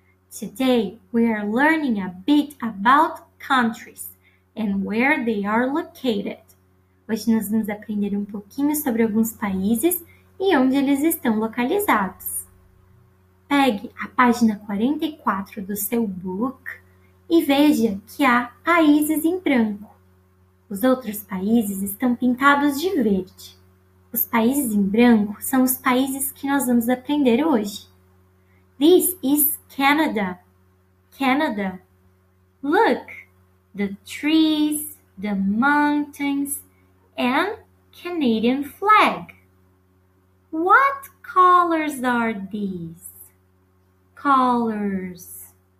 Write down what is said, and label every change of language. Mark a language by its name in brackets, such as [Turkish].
[English] Today we are learning a bit about countries and where they are located. [Portuguese] Hoje nós vamos aprender um pouquinho sobre alguns países e onde eles estão localizados. Pegue a página 44 do seu book e veja que há países em branco. Os outros países estão pintados de verde. Os países em branco são os países que nós vamos aprender hoje. [English] This is Canada. Canada. Look, the trees, the mountains, and Canadian flag. What colors are these? Colors.